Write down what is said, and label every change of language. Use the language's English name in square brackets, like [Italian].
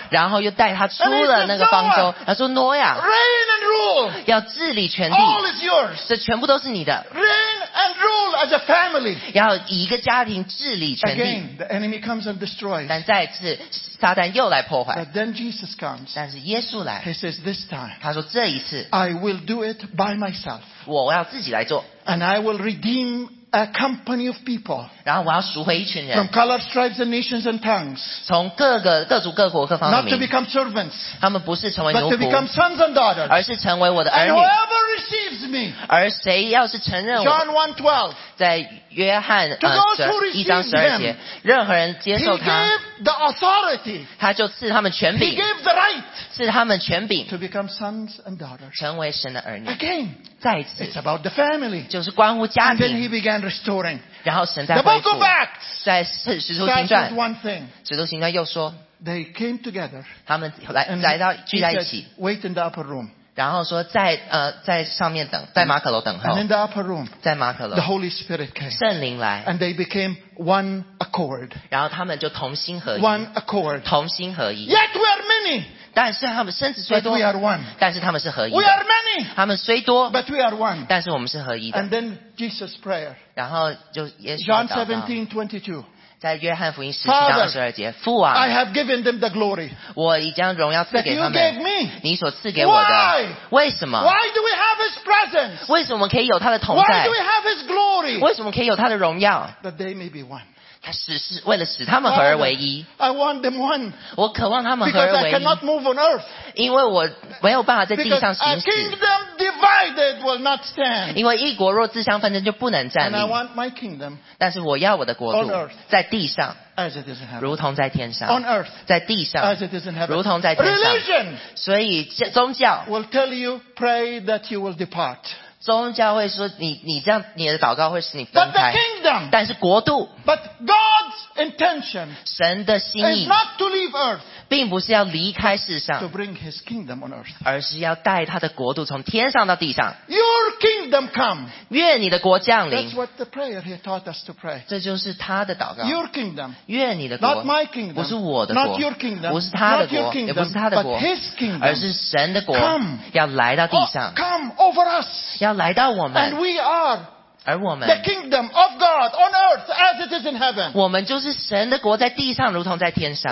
[Chinese] 然后又带他出了那个方舟。他说挪亚。 [English] Reign and rule. [Chinese] 要治理全地。 [English] All is yours. [Chinese] 这全部都是你的。 [English] Reign and rule as a family. [Chinese] 要以一个家庭治理全地。 [English] Again, the enemy comes and destroys. [Chinese] 但再次。撒旦又来破坏。 [English] But then Jesus comes. [Chinese] 但是耶稣来。 [English] He says this time. [Chinese] 他说这一次。 [English] I will do it by myself. [Chinese] 我要自己来做。 [English] And I will redeem a company of people. [Chinese] 然后我要赎回一群人。 [English] From color, stripes, and nations and tongues. [Chinese] 从各个各族各国各方的民。 [English] Not to become servants. [Chinese] 他们不是成为奴仆。 [English] But to become sons and daughters. [Chinese] 而是成为我的儿女。 [English] And whoever receives me. [Chinese] 而谁要是承认我。 [English] John 1:12. [Chinese] 在约翰一章十二节，任何人接受他， [English] he gave the authority, [Chinese] 他就赐他们权柄， [English] he gave the right, [Chinese] 赐他们权柄， [English] to become sons and daughters, [Chinese] 成为神的儿女。 [English] Again, [Chinese] 再一次， [English] it's about the family, [Chinese] 就是关乎家庭。 [English] And then he began restoring, [Chinese] 然后神在恢复。 [English] The Book of Acts, [Chinese] 在使徒行传， [English] starts with one thing, [Chinese] 使徒行传又说， [English] they came together, [Chinese] 他们来到聚在一起， [English] said, wait in the upper room. [Chinese] 然后说在上面等，在马可楼等候。 [English] And in the upper room, [Chinese] 在马可楼。 [English] The Holy Spirit came. [Chinese] 圣灵来。 [English] And they became one accord. [Chinese] 然后他们就同心合一。 [English] One accord. [Chinese] 同心合一。 [English] Yet we are many. [Chinese] 但是他们身子虽多。 [English] But we are one. [Chinese] 但是他们是合一的。 [English] We are many. [Chinese] 他们虽多。 [English] But we are one. [Chinese] 但是我们是合一的。 [English] And then Jesus prayer. [Chinese] 然后就耶稣祷告。 [English] John 17:22. [Chinese] 在约翰福音十七章二十二节 [English] Father, [Chinese] 父啊 [English] I have given them the glory, [Chinese] 我已将荣耀赐给他们 [English] that you gave me. [Chinese] 你所赐给我的 [English] Why? [Chinese] 为什么 [English] Why do we have his presence? [Chinese] 为什么可以有他的同在 [English] Why do we have his glory? [Chinese] 为什么可以有他的荣耀 [English] that they may be one. [Chinese] 他只是为了使他们合而为一 [English] I want them one. [Chinese] 我渴望他们合而为一 [English] Because I cannot move on earth. [Chinese] 因为我没有办法在地上行事 [English] Because a kingdom divided will not stand. [Chinese] 因为一国若自相纷争就不能站立 [English] And I want my kingdom. [Chinese] 但是我要我的国度在地上 [English] as it is in heaven, [Chinese] 如同在天上 [English] on earth, [Chinese] 在地上 [English] as it is in heaven, [Chinese] 如同在天上 [English] religion, [Chinese] 所以宗教 [English] will tell you, pray that you will depart. [Chinese] 宗教会说你这样你的祷告会使你分开。 [English] But the kingdom, [Chinese] 但是国度。 [English] But God's intention, [Chinese] 神的心意。 [English] Is not to leave earth, [Chinese] 并不是要离开世上。 [English] To bring his kingdom on earth. [Chinese] 而是要带他的国度从天上到地上。 [English] Your kingdom come. [Chinese] 愿你的国降临。 [English] That's what the prayer he taught us to pray. [Chinese] 这就是他的祷告。 [English] Your kingdom. [Chinese] 愿你的国。 [English] Not my kingdom. [Chinese] 不是我的国。 [English] Not your kingdom. [Chinese] 不是他的国。也不是他的国。 [English] But his kingdom. [Chinese] 而是神的国。 [English] Come. [Chinese] 要来到地上。 [English] Come over us. [Chinese] 要来到我们。 [English] And we are. [Chinese] 而我们。 [English] The kingdom of God on earth as it is in heaven. [Chinese] 我们就是神的国在地上如同在天上。